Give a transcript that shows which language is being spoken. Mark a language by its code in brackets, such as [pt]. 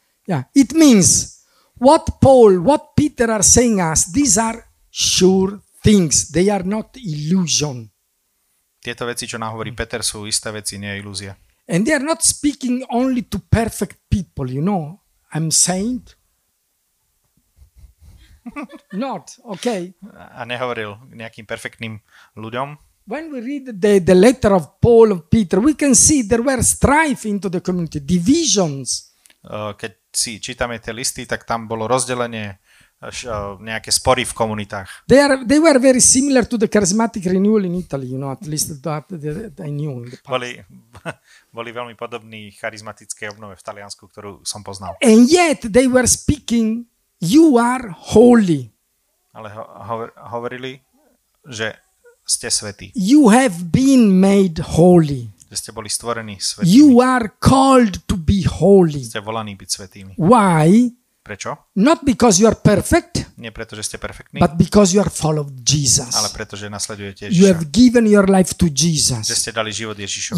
[en] Yeah, it means what Paul, what Peter are saying us, these are sure things. They are not illusion. [sk] Tieto veci, čo nám hovorí Peter, sú isté veci, nie ilúzie. [en] And they are not speaking only to perfect people, you know. I'm saint. Not, okay. [sk] A nehovoril nejakým perfektným ľuďom. [en] When we read the letter of Paul and Peter, we can see there were strife into the community, divisions. [sk] Keď si čítame tie listy, tak tam bolo rozdelenie, nejaké spory v komunitách. [en] They were very similar to the charismatic renewal in Italy, you know, at least that I knew in the past. [sk] Boli veľmi podobní charizmatické obnove v Taliansku, ktorú som poznal. [en] And yet they were speaking, you are holy. [sk] Ale hovorili, že ste svätí. [en] You have been made holy. [sk] Že ste boli stvorení svätými. [en] You are called to be holy. [sk] Ste volaní byť svätými. [en] Why? [sk] Prečo? [en] Not because you are perfect. [sk] Nie preto, že ste perfektní. [en] But because you are followed Jesus. [sk] Ale preto, že nasledujete [en] Ježiša. You have given your life to Jesus. [sk] Že ste dali život Ježišovi.